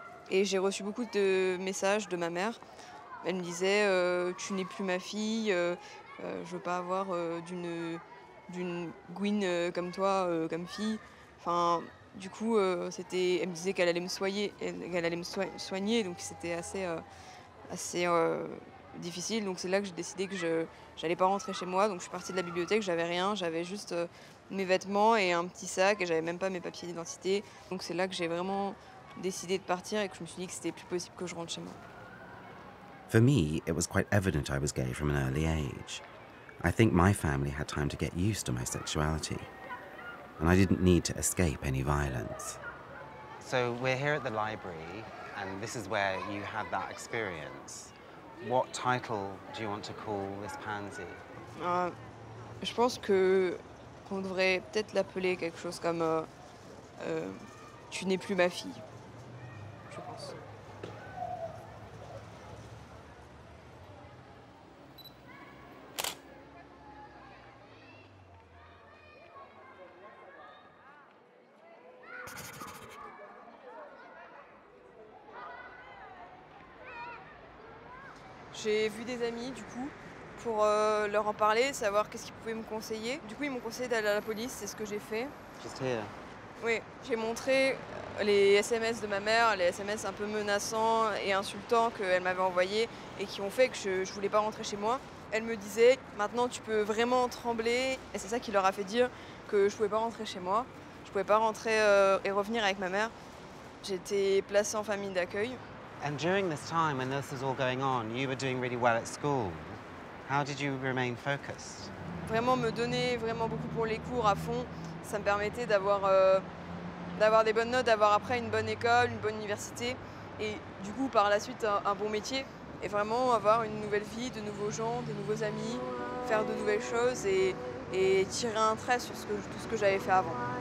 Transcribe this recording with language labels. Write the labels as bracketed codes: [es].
[fr] Et j'ai reçu beaucoup de messages de ma mère. Elle me disait « Tu n'es plus ma fille, je veux pas avoir d'une gouine comme toi, comme fille. » Enfin, du coup, elle me disait qu'elle allait me soigner, donc c'était assez difficile. Donc c'est là que j'ai décidé que j'allais pas rentrer chez moi. Donc je suis partie de la bibliothèque, j'avais rien, j'avais juste mes vêtements et un petit sac, et j'avais même pas mes papiers d'identité. Donc c'est là que j'ai vraiment décidé de partir et que je me suis dit que c'était plus possible que je rentre chez moi. [en] For me, it was quite evident I was gay from an early age. I think my family had time to get used to my sexuality, and I didn't need to escape any violence. So we're here at the library, and this is where you had that experience. What title do you want to call this pansy? [fr] Je pense qu'on devrait peut-être l'appeler quelque chose comme Tu n'es plus ma fille. J'ai vu des amis, du coup, pour leur en parler, savoir qu'est-ce qu'ils pouvaient me conseiller. Du coup, ils m'ont conseillé d'aller à la police, c'est ce que j'ai fait. Juste là. Oui, j'ai montré les SMS de ma mère, les SMS un peu menaçants et insultants qu'elle m'avait envoyés et qui ont fait que je voulais pas rentrer chez moi. Elle me disait, maintenant tu peux vraiment trembler. Et c'est ça qui leur a fait dire que je pouvais pas rentrer chez moi. Je pouvais pas rentrer et revenir avec ma mère. J'étais placée en famille d'accueil. [en] And during this time, when this was all going on, you were doing really well at school. How did you remain focused? [fr] Vraiment me donner vraiment beaucoup pour les cours à fond, ça me permettait d'avoir des bonnes notes, d'avoir après une bonne école, une bonne université, et du coup par la suite un bon métier, et vraiment avoir une nouvelle vie, de nouveaux gens, de nouveaux amis, faire de nouvelles choses et tirer un trait sur tout ce que j'avais fait avant.